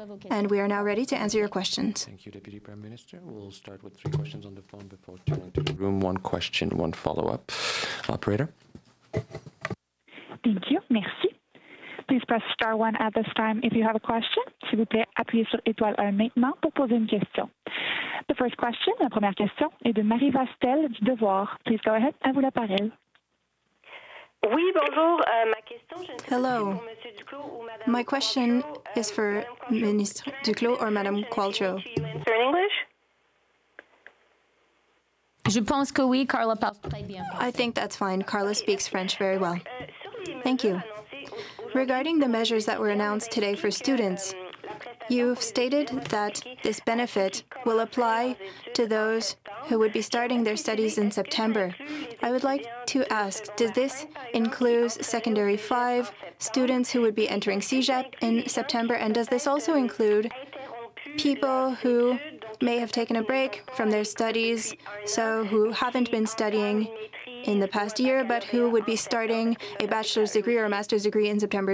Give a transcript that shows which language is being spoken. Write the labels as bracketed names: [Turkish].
[English] And we are now ready to answer your questions. Thank you, Deputy Prime Minister. We'll start with three questions on the phone before turning to the room. One question, one follow-up. Operator. Thank you. Merci. Please press star 1 at this time if you have a question. [French] S'il vous plaît, appuyez sur étoile 1 maintenant pour poser une question. [English] The first question, [French] la première question, est de Marie Vastel du Devoir. [English] Please go ahead. [French] À vous la parole. Oui, bonjour. Ma question, je ne sais [English] Hello. [French] Pas si c'est pour Monsieur Duclos ou Madame [English] My question Qualtro. Is for Ministre Duclos or Madame Qualtro. [French] Je pense que oui, Carla parle très bien français. [English] I think that's fine. Carla speaks French very well. Thank you. Regarding the measures that were announced today for students, you've stated that this benefit will apply to those who would be starting their studies in September. I would like to ask, does this include Secondary 5 students who would be entering CEGEP in September, and does this also include people who may have taken a break from their studies, so who haven't been studying in the past year, but who would be starting a bachelor's degree or a master's degree in September?